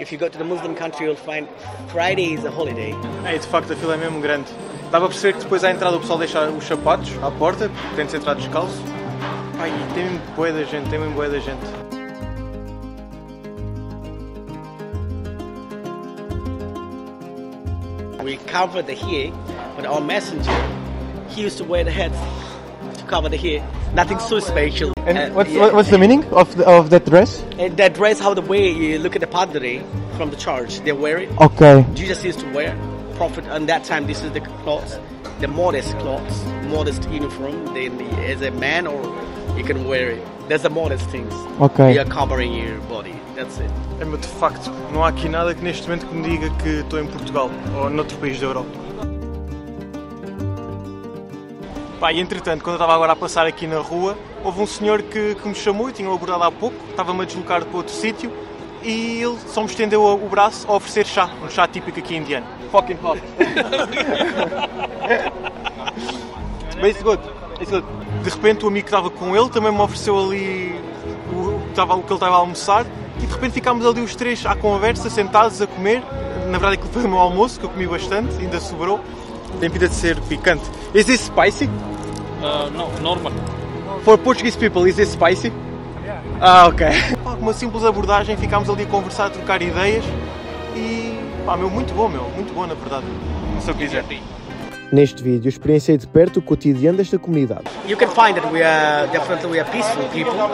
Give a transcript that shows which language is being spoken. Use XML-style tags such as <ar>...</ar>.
<en>If you go to the Muslim country, you'll find Friday is a holiday.</en> <pt>Hey, de facto, a fila é mesmo grande. Dava a perceber que depois à entrada o pessoal deixa os sapatos à porta, porque tem de ser entrado descalço. Ai, tem mesmo bué da gente, tem mesmo bué da gente.</pt> <en>We cover the hair, but our messenger, he used to wear the hat to cover the hair. Nothing so special. And what's the meaning of that dress? That dress, how the way you look at the padre from the church, they wear it. Okay. Jesus used to wear. Prophet, and that time, this is the clothes, the modest clothes, modest uniform. Then, as a man, or you can wear it. That's the modest things. Okay. You're covering your body. That's it.</en> <pt>É, mas de facto, não há aqui nada que neste momento que me diga que estou em Portugal ou noutro país da Europa. Pá, e entretanto, quando eu estava agora a passar aqui na rua, houve um senhor que me chamou e tinha abordado há pouco, estava-me a deslocar para outro sítio e ele só me estendeu o braço a oferecer chá, um chá típico aqui indiano.</pt> <en>Fucking hot. But it's good.</en> <pt>De repente o amigo que estava com ele também me ofereceu ali o que ele estava a almoçar e de repente ficámos ali os três à conversa, sentados a comer. Na verdade aquilo foi o meu almoço, que eu comi bastante, ainda sobrou. Tem pinta de ser picante.</pt> <en>Is this spicy? No, normal. For Portuguese people, is this spicy? Yeah. Ah, ok.</en> <pt>Uma simples abordagem, ficámos ali a conversar, a trocar ideias e... Pá, meu, muito bom, meu. Muito bom, na verdade. Se eu quiser. Neste vídeo, experienciei de perto o cotidiano desta comunidade.</pt> <en>You can find that we are peaceful people.</en>